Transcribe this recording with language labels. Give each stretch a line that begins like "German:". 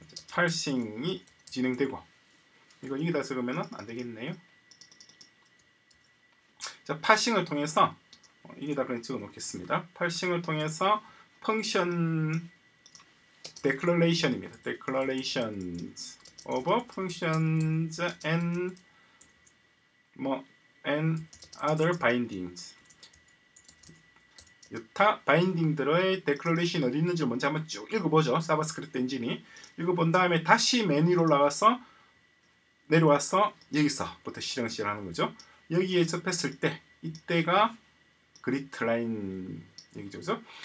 Korean: 파싱이 진행되고, 이거 여기다 적으면 안 되겠네요. 자, 파싱을 통해서 여기다 그냥 적어놓겠습니다. 파싱을 통해서 펑션 declaration입니다.
English: declarations of functions and 뭐 and other bindings.
Korean: 여타 binding들의 declaration 어디 있는지 먼저 한번 쭉 읽어보죠. 자바스크립트 엔진이 읽어본 다음에 다시 메뉴로 내려와서 여기서부터 실행을 하는 거죠. 여기에 접했을 때 이때가 grid line 얘기죠.